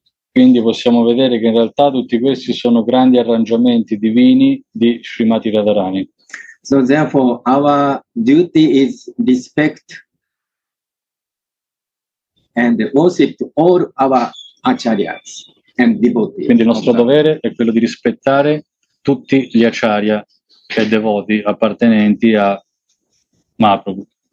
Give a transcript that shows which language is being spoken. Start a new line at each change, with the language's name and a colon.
Italian: Quindi possiamo vedere che in realtà tutti questi sono grandi arrangiamenti divini di Srimati Radharani.
English: So therefore, our duty is respect and worship all our acharyas and devotees.
Italian: Quindi il nostro dovere è quello di rispettare tutti gli acharya e devoti appartenenti a Mahaprabhu.